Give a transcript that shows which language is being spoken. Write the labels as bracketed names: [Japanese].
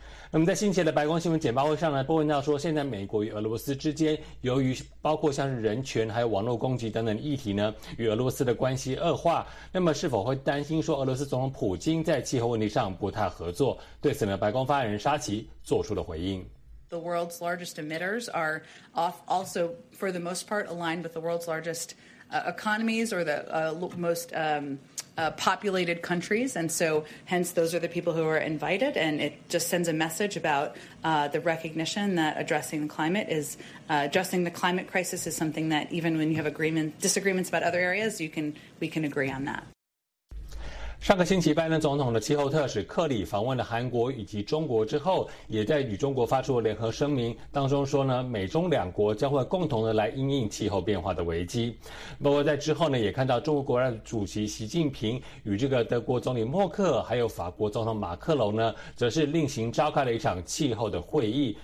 [Chinese] 那么在星期的白宫新闻简报会上呢，波文道说，现在美国与俄罗斯之间由于包括像是人权还有网络攻击等等议题呢，与俄罗斯的关系恶化，那么是否会担心说俄罗斯总统普京在气候问题上不太合作？对此呢，白宫发言人沙奇做出了回应。 [English] The world's largest emitters are also, for the most part, aligned with the world's largest economies or the populated countries. And so, hence, those are the people who are invited. And it just sends a message about the recognition that addressing the climate is, addressing the climate crisis is something that even when you have disagreements about other areas, we can agree on that. [Chinese] 上个星期拜登总统的气候特使克里访问了韩国以及中国之后，也在与中国发出了联合声明，当中说呢，美中两国将会共同的来因应气候变化的危机。不过在之后呢，也看到中国国家主席习近平与这个德国总理默克还有法国总统马克龙呢，则是另行召开了一场气候的会议。